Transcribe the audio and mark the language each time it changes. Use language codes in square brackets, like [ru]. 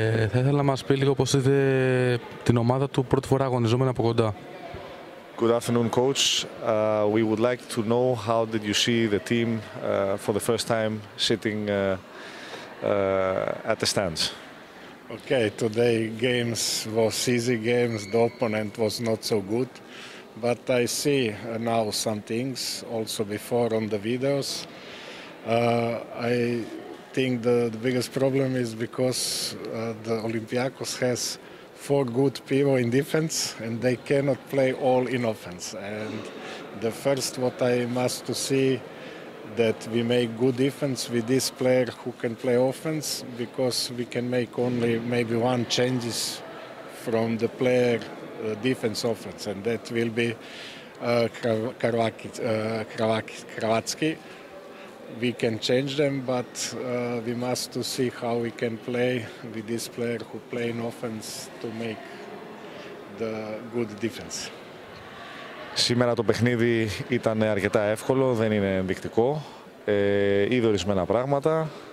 [el] Θα ήθελα να μας πει λίγο πώς είδε την ομάδα του πρώτη φορά αγωνιζόμενη από κοντά. [en] Good afternoon, coach. We would like to know how did you see the team for the first time sitting at the stands. Okay, today games was easy games. The opponent was not so good, but I see now some things also before on the videos. I think the biggest problem is because the Olympiacos has four good people in defense and they cannot play all in offense. And the first what I must to see that we make good defense with this player who can play offense, because we can make only maybe one changes from the player defense offense, and that will be Kravatski. We can change them, but we must to see how we can play with this player who play in offense to make the good defense. [el] Σήμερα το παιχνίδι ήταν αρκετά εύκολο, δεν είναι ενδεικτικό. Είδε ορισμένα πράγματα.